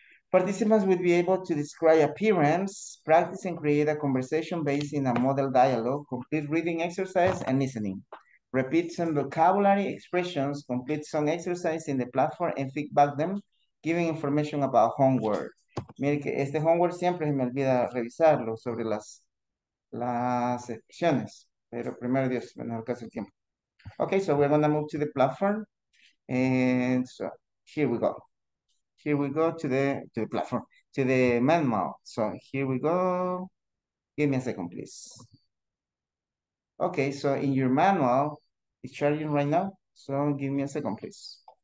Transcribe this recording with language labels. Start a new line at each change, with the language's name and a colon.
English: Participants will be able to describe appearance, practice and create a conversation based in a model dialogue, complete reading exercise and listening. Repeat some vocabulary expressions, complete some exercise in the platform and feedback them, giving information about homework.
Spanish: Mire que este homework siempre me olvida revisarlo sobre las secciones, pero primero Dios, me alcanza el tiempo.
English: Okay, so we're gonna move to the platform. And so here we go. Here we go to the platform, to the manual. So here we go. Give me a second, please. Okay, so in your manual, it's charging right now. So give me a second, please.